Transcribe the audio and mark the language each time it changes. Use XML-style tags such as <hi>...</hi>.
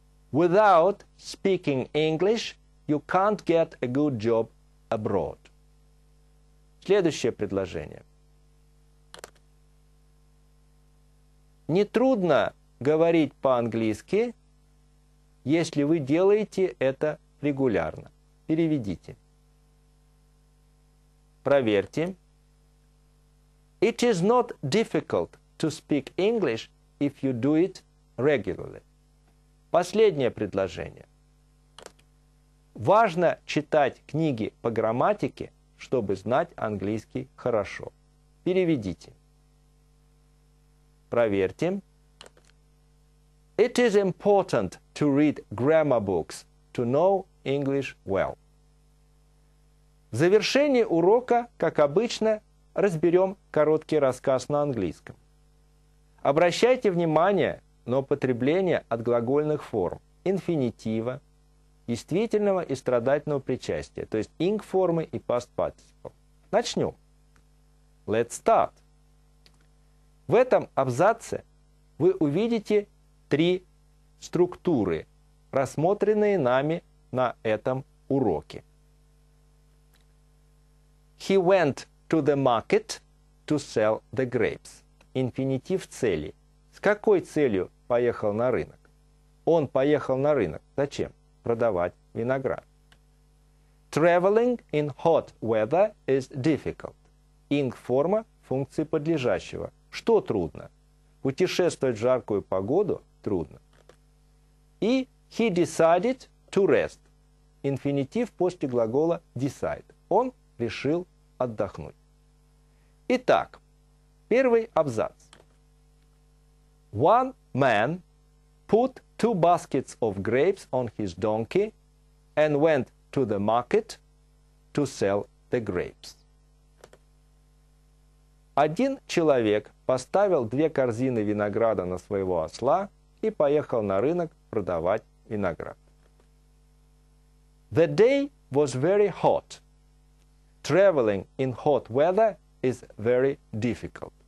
<en>Without speaking English, you can't get a good job abroad.</en> <ru>Следующее предложение. Нетрудно говорить по-английски, если вы делаете это регулярно. Переведите. Проверьте.</ru> <en>It is not difficult to speak English if you do it regularly.</en> <ru>Последнее предложение. Важно читать книги по грамматике, чтобы знать английский хорошо. Переведите. Проверьте.</ru> <en>It is important to read grammar books to know English well.</en> <ru>В завершении урока, как обычно, разберем короткий рассказ на английском. Обращайте внимание на употребление от глагольных форм инфинитива, действительного и страдательного причастия, то есть ing-формы и past participle. Начнем.</ru> <en>Let's start.</en> <ru>В этом абзаце вы увидите три структуры, рассмотренные нами на этом уроке.</ru> <en>He went to the market to sell the grapes.</en> <ru>Инфинитив цели. С какой целью поехал на рынок? Он поехал на рынок. Зачем? Продавать виноград.</ru> <en>Traveling in hot weather is difficult.</en> <ru>Инг-форма функции подлежащего. Что трудно? Путешествовать в жаркую погоду трудно.</ru> <en>И he decided to rest.</en> <ru>Инфинитив после глагола</ru> <en>decide.</en> <ru>Он решил отдохнуть. Итак, первый абзац.</ru> <en>One man put two baskets of grapes on his donkey and went to the market to sell the grapes.</en> <ru>Один человек поставил две корзины винограда на своего осла и поехал на рынок продавать виноград.</ru> <en>The day was very hot. Traveling in hot weather is very difficult.</en>